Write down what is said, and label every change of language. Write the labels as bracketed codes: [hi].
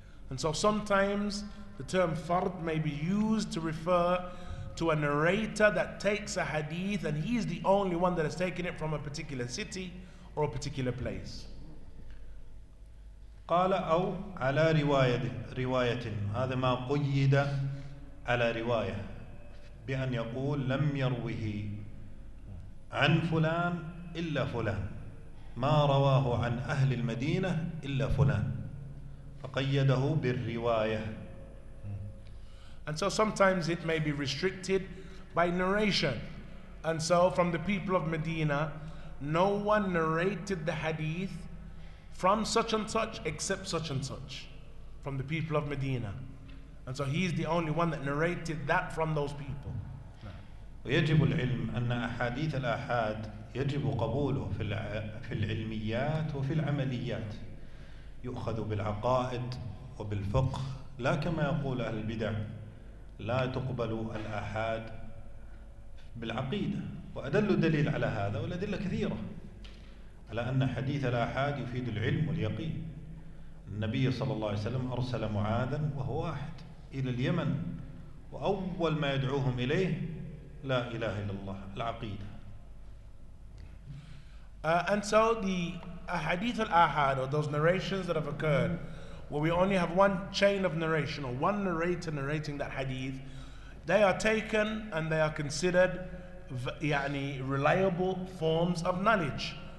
[en] And so sometimes the term fard may be used to refer to a narrator that takes a hadith and he is the only one that has taken it from a particular city or a particular place. [ar] قال أو على رواية، رواية، هذا ما قيد على رواية، بأن يقول لم يروه عن فلان إلا فلان، ما رواه عن أهل المدينة إلا فلان، فقيده بالرواية. [en] And so sometimes it may be restricted by narration. And so from the people of Medina, no one narrated the hadith from such and such except such and such from the people of Medina. And so he is the only one that narrated that from those people. [ar] ويجب العلم أن أحاديث الآحاد يجب قبوله في العلميات وفي العمليات، يؤخذ بالعقائد وبالفقه، لا كما يقول أهل البدع لا تقبل الآحاد بالعقيدة. وأدل دليل على هذا، والأدلة كثيرة على أن حديث الآحاد يفيد العلم واليقين. النبي صلى الله عليه وسلم أرسل معاذا وهو واحد إلى اليمن، وأول ما يدعوهم إليه لا إله إلا الله، العقيدة. [en] And so the hadith al-ahad, or those narrations that have occurred, where we only have one chain of narration or one narrator narrating that hadith, they are taken and they are considered يعني reliable forms of knowledge.